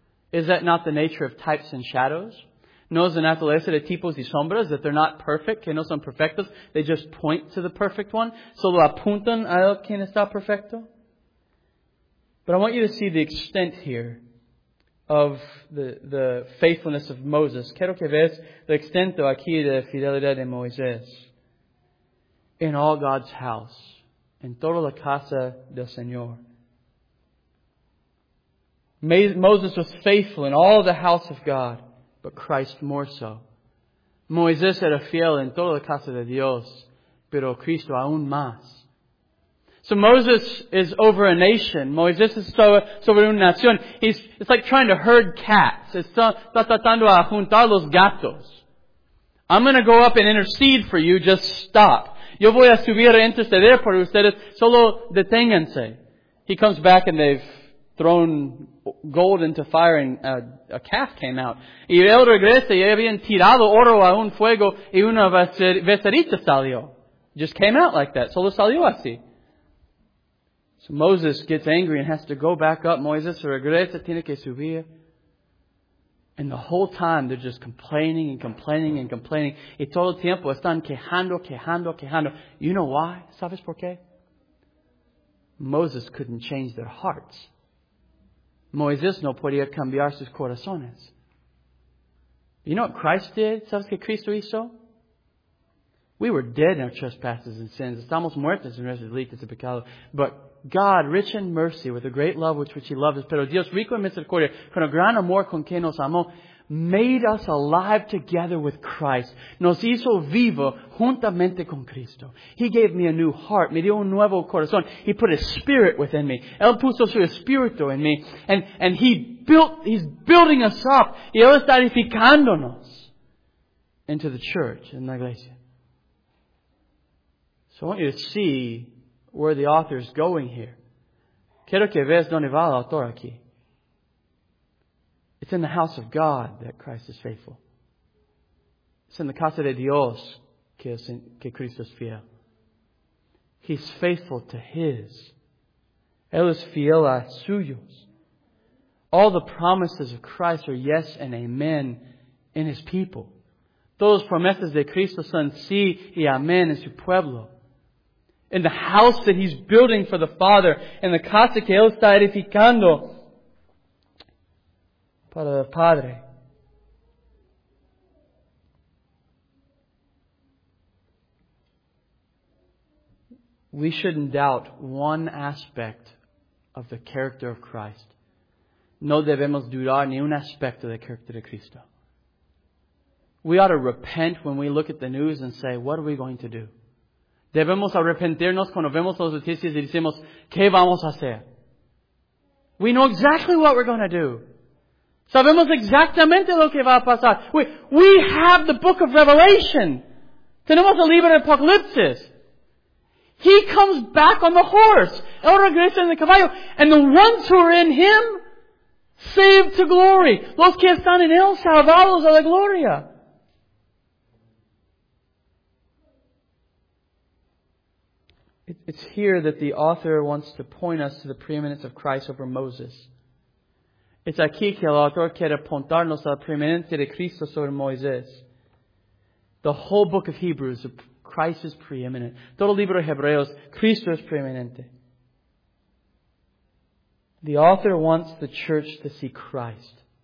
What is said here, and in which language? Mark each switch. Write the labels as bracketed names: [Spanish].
[English] Is that not the nature of types and shadows? [Spanish] No es la naturaleza de tipos y sombras, [English] that they're not perfect, [Spanish] que no son perfectos. [English] They just point to the perfect one. [Spanish] Solo apuntan a quien está perfecto. [English] But I want you to see the extent here of the faithfulness of Moses. [Spanish] Quiero que veas el extento aquí de fidelidad de Moisés. [English] In all God's house, [Spanish] en toda la casa del Señor. [English] Moses was faithful in all the house of God, but Christ more so. [Spanish] Moisés era fiel en toda la casa de Dios, pero Cristo aún más. [English] So Moses is over a nation. [Spanish] Moisés es sobre una nación. [English] It's like trying to herd cats. [Spanish] Está tratando a juntar los gatos. [English] I'm going to go up and intercede for you. Just stop. [Spanish] Yo voy a subir a interceder por ustedes. Solo deténganse. [English] He comes back and they've thrown gold into fire and a calf came out. [Spanish] Y él regresa y habían tirado oro a un fuego y una becerita salió. [English] Just came out like that. [Spanish] Solo salió así. [English] So Moses gets angry and has to go back up. [Spanish] Moisés regresa, tiene que subir. [English] And the whole time they're just complaining and complaining and complaining. [Spanish] Y todo el tiempo están quejando, quejando, quejando. [English] You know why? [Spanish] ¿Sabes por qué? [English] Moses couldn't change their hearts. [Spanish] Moisés no podía cambiar sus corazones. [English] You know what Christ did? [Spanish] ¿Sabes qué Cristo hizo? [English] We were dead in our trespasses and sins. [Spanish] Estamos muertos en nuestros delitos y pecados. [English] But God, rich in mercy, with the great love which He loves us, [Spanish] pero Dios rico en misericordia, con el gran amor con que nos amó, [English] made us alive together with Christ. [Spanish] Nos hizo vivo juntamente con Cristo. [English] He gave me a new heart. [Spanish] Me dio un nuevo corazón. [English] He put a spirit within me. [Spanish] Él puso su espíritu en mí. [English] And He's building us up. [Spanish] Y Él está edificándonos [English] into the church, in la iglesia. So I want you to see where the author is going here. [Spanish] Quiero que veas donde va el autor aquí. [English] It's in the house of God that Christ is faithful. It's in the [Spanish] casa de Dios que Cristo es fiel. [English] He's faithful to His. [Spanish] Él es fiel a suyos. [English] All the promises of Christ are yes and amen in His people. [Spanish] Todas promesas de Cristo son sí y amén en su pueblo. [English] In the house that He's building for the Father, in the [Spanish] casa que Él está edificando para el Padre. [English] We shouldn't doubt one aspect of the character of Christ. [Spanish] No debemos dudar ni un aspecto del carácter de Cristo. [English] We ought to repent when we look at the news and say, what are we going to do? [Spanish] Debemos arrepentirnos cuando vemos las noticias y decimos, ¿qué vamos a hacer? [English] We know exactly what we're going to do. [Spanish] Sabemos exactamente lo que va a pasar. [English] We have the book of Revelation. [Spanish] Tenemos el libro de Apocalipsis. [English] He comes back on the horse. [Spanish] El regresa en el caballo. [English] And the ones who are in Him, saved to glory. [Spanish] Los que están en Él, salvados a la gloria. [English] It's here that the author wants to point us to the preeminence of Christ over Moses. [Spanish] It's aquí que el autor quiere apuntarnos a la preeminencia de Cristo sobre Moisés. [English] The whole book of Hebrews, Christ is preeminent. [Spanish] Todo el libro de Hebreos, Cristo es preeminente. [English] The author wants the church to see Christ.